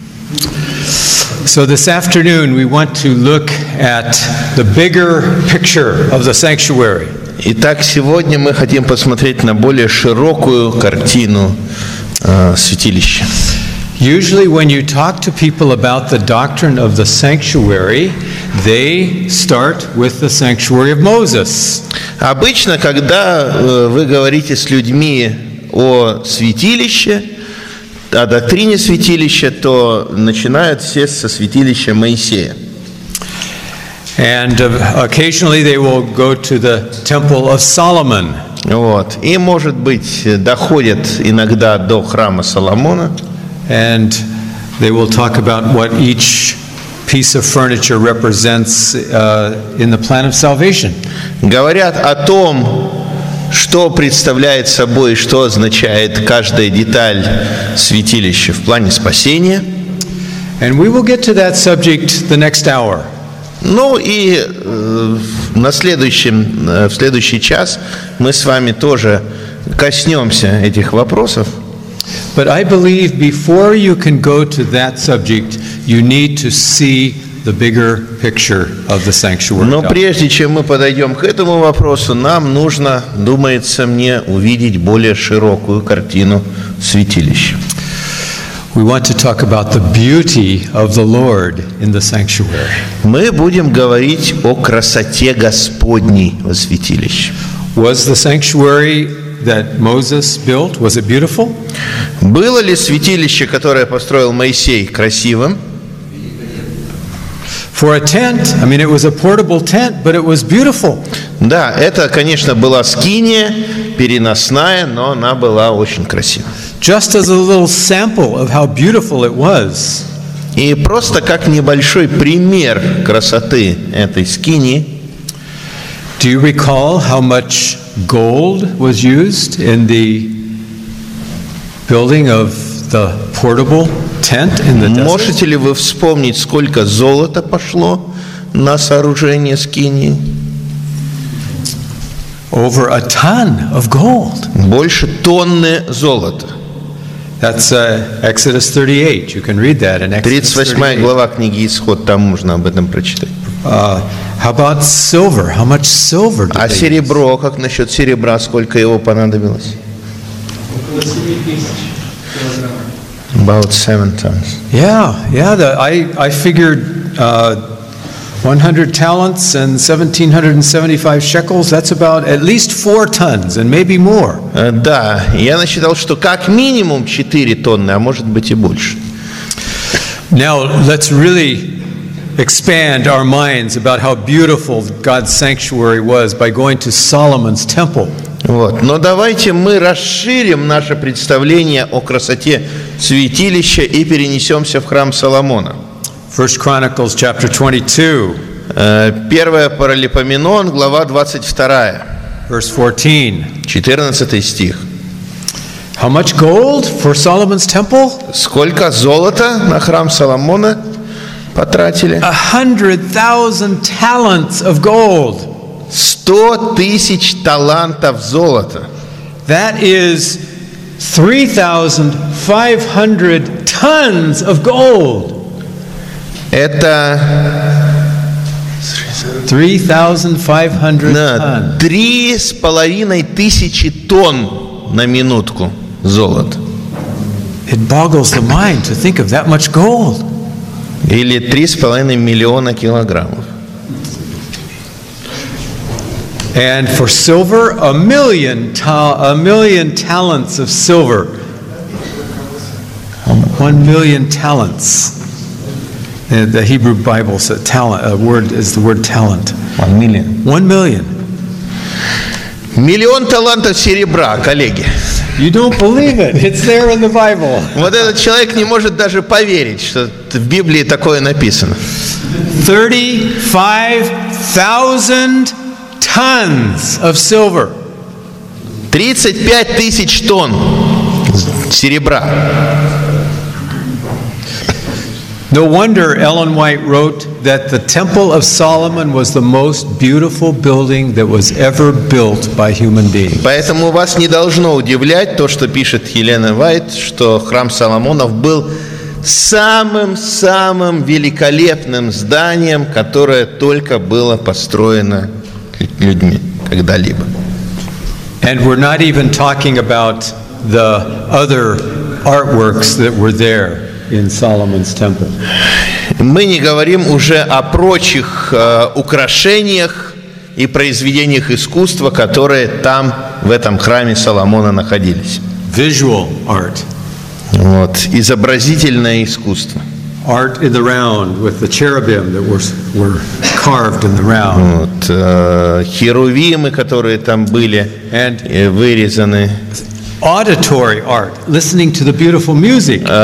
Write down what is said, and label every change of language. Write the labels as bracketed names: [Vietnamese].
[English] So this afternoon, we want to look at the bigger picture of the sanctuary. [Russian] Итак, сегодня мы хотим посмотреть на более широкую картину святилища. [English] Usually when you talk to people about the doctrine of the sanctuary, they start with the sanctuary of Moses. [Russian] Обычно, когда вы говорите с людьми о святилище, о доктрине святилища, то начинают все со святилища Моисея. [English] And occasionally they will go to the temple of Solomon. [Russian] Вот. И, может быть, доходят иногда до храма Соломона. [English] And they will talk about what each piece of furniture represents in the plan of salvation. [Russian] Говорят о том, что представляет собой, что означает каждая деталь святилища в плане спасения. [English] And we will get to that subject the next hour. [Russian] Ну и в следующий час мы с вами тоже коснемся этих вопросов. [English] But I believe before you can go to that subject, you need to see the bigger picture of the sanctuary. [Russian] Но прежде чем мы подойдем к этому вопросу, нам нужно, думается мне, увидеть более широкую картину святилища. [English] We want to talk about the beauty of the Lord in the sanctuary. [Russian] Мы будем говорить о красоте Господней во святилище. [English] Was the sanctuary that Moses built, was it beautiful? [Russian] Было ли святилище, которое построил Моисей, красивым? [English] For a tent, I mean, it was a portable tent, but it was beautiful. [Russian] Да, это, конечно, была скиния переносная, но она была очень красивая. [English] Just as a little sample of how beautiful it was. [Russian] И просто как небольшой пример красоты этой скинии. [English] Do you recall how much gold was used in the building of the portable tent in the desert? [Russian] Можете ли вы вспомнить, сколько золота пошло на сооружение скинии? [English] Over a ton of gold. [Russian] Больше тонны золота. [English] That's Exodus 38. You can read that in Exodus 38. [Russian] 38 глава книги Исход, там можно об этом прочитать. [English] How about silver? How much silver did they use? [Russian] А серебро, как насчет серебра, сколько его понадобилось? [English] About 7 tons. Yeah, I figured 100 talents and 1775 shekels, that's about at least 4 tons and maybe more. [Russian] Да, я насчитал, что как минимум 4 тонны, а может быть и больше. [English] Now, let's really expand our minds about how beautiful God's sanctuary was by going to Solomon's temple. [Russian] Вот. Но давайте мы расширим наше представление о красоте святилища и перенесемся в храм Соломона. [English] 1 Chronicles chapter 22. [Russian] Первая Паралипоменон, глава 22. [English] Verse 14. [Russian] 14 стих. [English] How much gold for Solomon's temple? [Russian] Сколько золота на храм Соломона потратили? [English] 100,000 talents of gold. [Russian] 100,000 талантов золота. [English] That is 3,500 tons of gold. [Russian] Это 3,500 тонн на минутку золота. [English] It boggles the mind to think of that much gold. [Russian] Или 3,5 миллиона килограммов. [English] And for silver, a million talents of silver. 1 million talents. And the Hebrew Bible says talent. A word is the word talent. 1 million. 1 million. [Russian] Миллион талантов серебра, коллеги. [English] You don't believe it. It's there in the Bible. [Russian] Вот этот человек не может даже поверить, что в Библии такое написано. [English] 35,000 tons of silver. [Russian] 35,000 тонн серебра. [English] No wonder Ellen White wrote that the Temple of Solomon was the most beautiful building that was ever built by human beings. [Russian] Поэтому вас не должно удивлять то, что пишет Елена Вайт, что храм Соломонов был самым-самым великолепным зданием, которое только было построено людьми когда-либо. [English] And we're not even talking about the other artworks that were there in Solomon's temple. [Russian] Мы не говорим уже о прочих украшениях и произведениях искусства, которые там, в этом храме Соломона, находились. [English] Visual art. [Russian] Вот, изобразительное искусство. [English] Art in the round, with the cherubim that were carved in the round. [Russian] Вот, херувимы, которые там были, and вырезаны. [English] Auditory art, listening to the beautiful music.